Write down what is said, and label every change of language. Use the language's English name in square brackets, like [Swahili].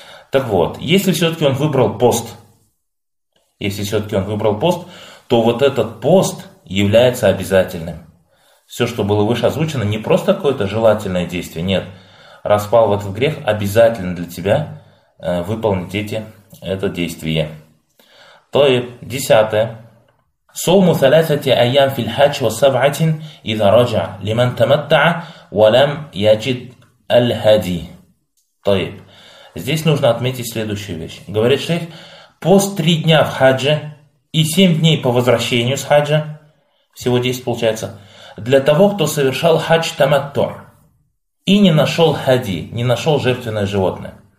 [Russian] Так вот, если все-таки он выбрал пост, если все-таки он выбрал пост, то вот этот пост является обязательным. Все, что было выше озвучено, не просто какое-то желательное действие, нет. Раз впал в этот грех, обязательно для тебя выполнить это действие. То есть, десятое. [Arabic] صوم ثلاثة أيام في الحج وسبعة إذا رجع لمن تمتع ولم يجد الهدي. طيب. [Russian] Здесь нужно отметить следующую вещь. Говорит шейх, пост 3 дня в хадже и 7 дней по возвращению с хаджа, всего 10 получается, для того, кто совершал хадж таматтор и не нашел хади, не нашел жертвенное животное.